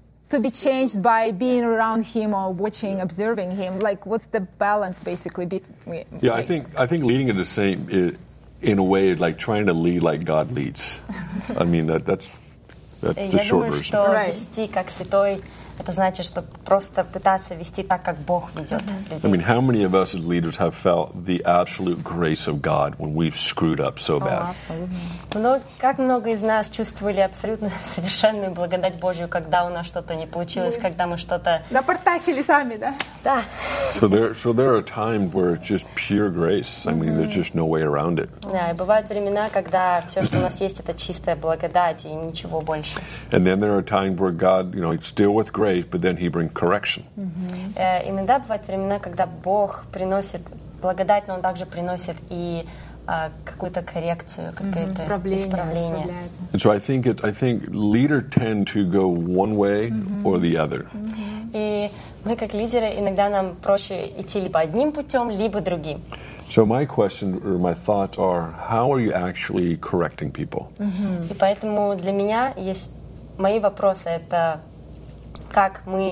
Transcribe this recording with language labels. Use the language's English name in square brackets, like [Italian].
[English] To be changed by being around him or watching, observing him. Like, what's the balance, basically? Yeah, I think leading is the same, in a way, like trying to lead like God leads. I mean, that's the short version. [Russian] Я думаю, что вести как святой, это значит, что просто пытаться вести так, как Бог ведет. [English] I mean, how many of us as leaders have felt the absolute grace of God when we've screwed up so bad? [Russian] Как много из нас чувствовали абсолютно совершенную благодать Божью, когда у нас что-то не получилось, когда мы что-то... Напортачили сами, да? Да. [English] So there are times where it's just pure grace. I mean, there's just no way around it. [Russian] Да, и бывают времена, когда все, что у нас есть, это чистая благодать и ничего больше. [English] And then there are times where God, you know, still with grace, but then he brings correction. [Russian] Иногда бывают времена, когда Бог приносит благодать, но он также приносит и какую-то коррекцию, какое-то исправление. [English] And so I think leaders tend to go one way or the other. [Russian] И мы как лидеры иногда нам проще идти либо одним путем, либо другим. [English] So my question or my thoughts are, how are you actually correcting people? [Russian] И поэтому для меня есть мои вопросы это как